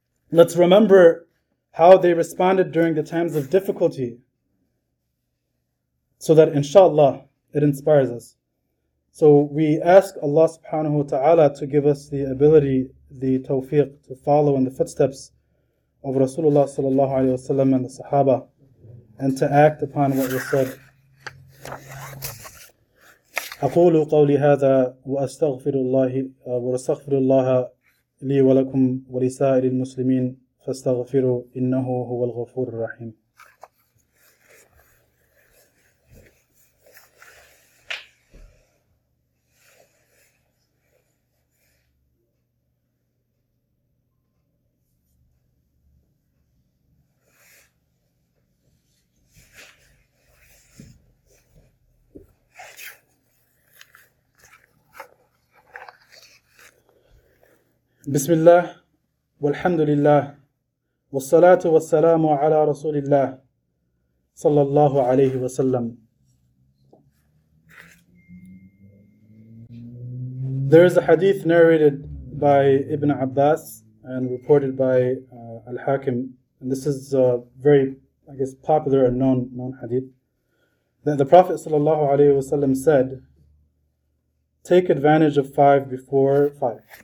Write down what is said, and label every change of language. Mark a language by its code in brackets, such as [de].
[en] Let's remember how they responded during the times of difficulty, so that inshallah it inspires us. So we ask Allah subhanahu wa ta'ala to give us the ability, the tawfiq, to follow in the footsteps of Rasulullah sallallahu alayhi wa sallam and the Sahaba, and to act upon what was said. [ar] أقول قولي هذا وأستغفر الله وأستغفر الله لي ولكم ولسائر المسلمين فاستغفروا إنه هو الغفور الرحيم. بسم الله والحمد لله والصلاة والسلام على رسول الله صلى الله عليه وسلم. [en] There is a hadith narrated by Ibn Abbas and reported by Al-Hakim, and this is a very, I guess, popular and known hadith, that the Prophet صلى الله عليه وسلم said, take advantage of five before five.